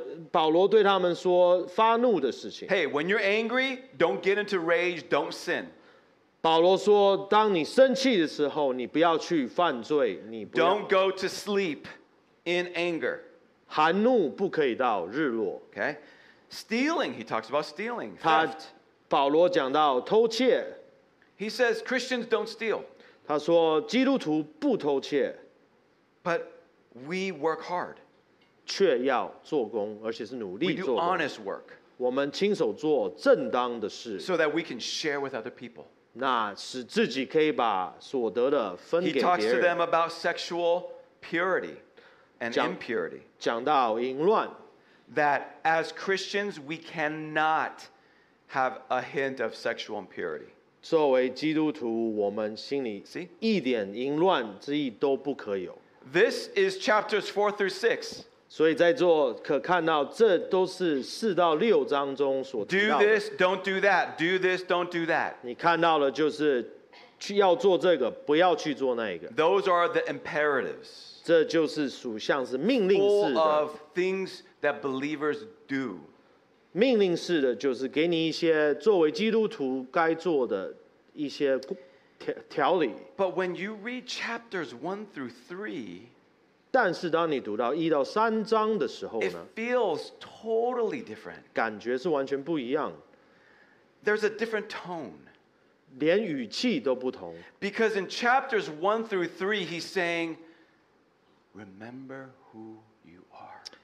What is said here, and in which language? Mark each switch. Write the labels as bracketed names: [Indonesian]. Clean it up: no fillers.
[Chinese] 保罗对他们说发怒的事情。 [English] Hey, when you're angry, don't get into rage, don't sin. [Chinese] 保罗说，当你生气的时候，你不要去犯罪，你不要。 [English] Don't go to sleep in anger. [Chinese] 含怒不可以到日落。 [English] Okay, stealing. He talks about stealing. [Chinese] 他保罗讲到偷窃。 [English] He says Christians don't steal. [Chinese] 他说基督徒不偷窃。 [English] But we work hard. [Chinese] 却要做工，而且是努力做工。 [English] We do honest work. [Chinese] 我们亲手做正当的事。 [English] So that we can share with other people. [Chinese] 那使自己可以把所得的分给别人。 [English] He talks to them about sexual purity. And impurity. [Chinese] 讲到淫乱 [English] that as Christians we cannot have a hint of sexual impurity. [Chinese] 作为基督徒，我们心里一点淫乱之意都不可有。 [English] This is chapters 4 through 6. [Chinese] 所以在座可看到，这都是四到六章中所提到的。 [English] Do this, don't do that. Do this, don't do that. [Chinese] 你看到了就是要做这个，不要去做那个。 [English] Those are the imperatives. [Chinese] 这就是属相是命令式的。 [English] Full of things that believers do. [Chinese] 命令式的就是给你一些作为基督徒该做的一些条理。 [English] But when you read chapters 1 through 3, [Chinese] 但是当你读到1到3章的时候呢, [English] it feels totally different. [Chinese] 感觉是完全不一样。 [English] There's a different tone. [Chinese] 连语气都不同。 [English] Because in chapters 1 through 3, he's saying, remember who you are.